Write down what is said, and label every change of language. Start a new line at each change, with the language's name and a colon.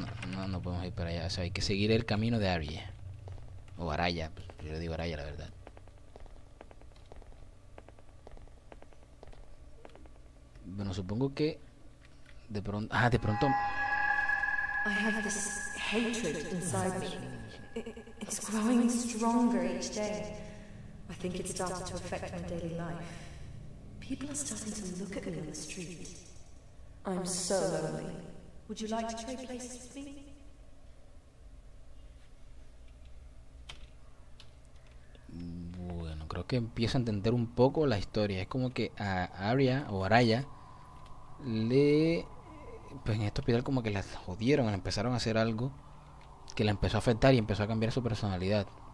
Spanish: No, no podemos ir para allá. O sea, hay que seguir el camino de Aria. O Araya, yo le digo Araya, la verdad. Bueno, supongo que de pronto. Ah, de pronto.
English: I have this hatred inside me. It's growing stronger each day. I think it's starting to affect my daily life. People are starting to look at me on the street. I'm so lonely. Would you like to trade places with me?
Spanish: Bueno, creo que empiezo a entender un poco la historia. Es como que a Arya o Araya le... Pues en este hospital como que las jodieron, empezaron a hacer algo que la empezó a afectar y empezó a cambiar su personalidad.